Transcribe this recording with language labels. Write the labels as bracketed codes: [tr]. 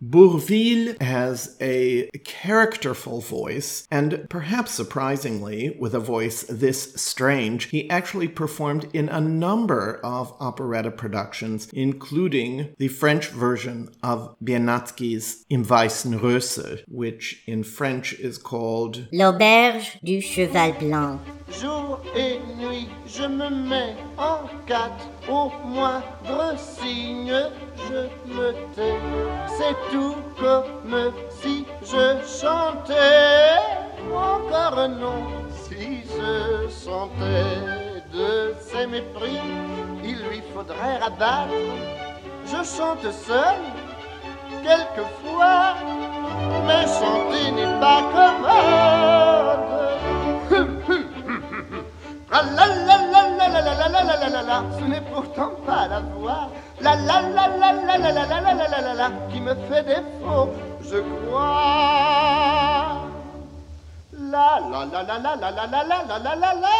[en] Bourvil has a characterful voice, and perhaps surprisingly, with a voice this strange, he actually performed in a number of operetta productions, including the French version of Biernatsky's Im Weißen Röse, which in French is called [fr] L'Auberge du Cheval Blanc. Jour et nuit, je me mets en quatre, au moindre signe, je me tais. C'est tout comme si je chantais, encore non, si je sentais. De ses mépris, il lui faudrait rabattre. Je chante seul, quelquefois, mais chanter n'est pas commode. Ah la la la la la la la la la la la, ce n'est pourtant pas la voix. La la la la la la la la la la la la, qui me fait défaut, je crois. La la la la la la la la la la la la la.